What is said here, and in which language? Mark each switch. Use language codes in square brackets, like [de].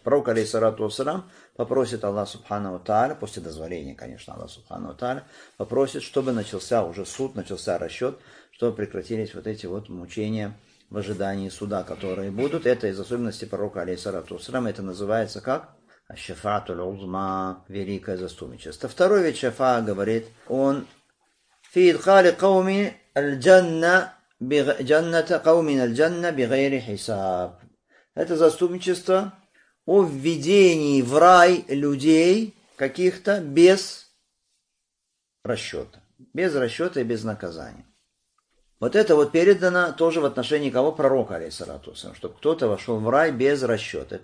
[ru] Пророк, алейхиссалату вассалям, попросит Аллах Субхану Тааля, после дозволения, конечно, Аллах Субхану Тааля, попросит, чтобы начался уже суд, начался расчет, чтобы прекратились вот эти вот мучения в ожидании суда, которые будут. Это из особенностей пророка, алейхиссалату вассалям. Это называется как? Ашшафаатул узма, великое заступничество. Второй вид шафа, говорит он, [ar] في إدخال قوم الجنة بجنة قوم الجنة بغير حساب. [ru] Это заступничество о введении в рай людей каких-то без расчета. Без расчета и без наказания. Вот это вот передано тоже в отношении кого? Пророка, алейхиссалату вассалям. Чтобы кто-то вошел в рай без расчета.